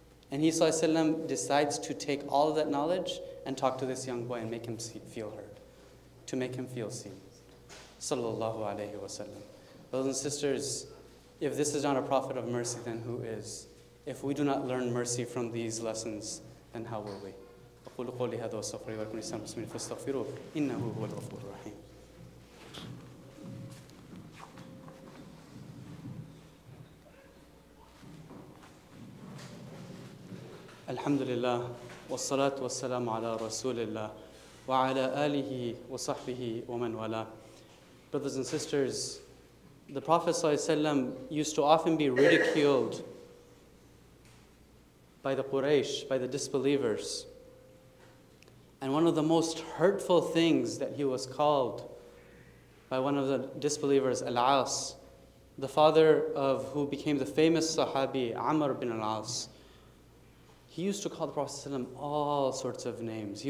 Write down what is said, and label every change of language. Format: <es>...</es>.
<en>And he ﷺ decides to take all of that knowledge and talk to this young boy and make him feel heard, to make him feel seen. Sallallahu alayhi wa sallam. Brothers and sisters, if this is not a prophet of mercy, then who is? If we do not learn mercy from these lessons, then how will we?</en> <ar>أقول قولي هذا واستغفري ولكم لسان المسلمين فاستغفروه إنه هو الغفور الرحيم. الحمد لله والصلاة والسلام على رسول الله وعلى آله وصحبه ومن والاه.</ar> <en>Brothers and sisters, the Prophet</en> <ar>صلى الله عليه وسلم</ar> <en>used to often be ridiculed by the Quraysh, by the disbelievers. And one of the most hurtful things that he was called by one of the disbelievers, Al-As, the father of who became the famous Sahabi, Amr bin Al-As, he used to call the Prophet ﷺ all sorts of names.</en>